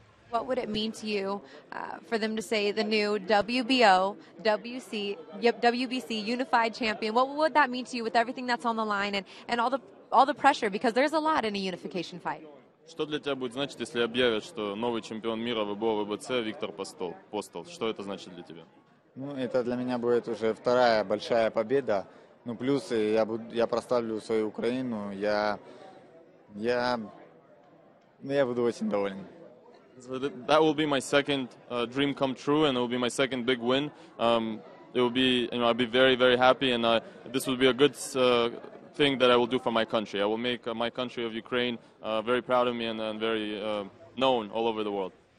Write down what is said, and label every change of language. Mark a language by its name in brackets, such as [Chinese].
[English] What would it mean to you for them to say the new WBO, WBC unified champion? What would that mean to you with everything that's on the line and all the pressure? Because there's a lot in a unification fight. [Russian] Что для тебя будет значить, если объявят, что новый чемпион мира ВБО, ВБЦ Виктор Постол? Что это значит для тебя? Ну, это для меня будет уже вторая большая победа. Ну, плюс я прославлю свою Украину. Я буду очень доволен. [English] So that will be my second dream come true, and it will be my second big win. It will be, you know, I'll be very, very happy, and this will be a good thing that I will do for my country. I will make my country of Ukraine very proud of me and very known all over the world.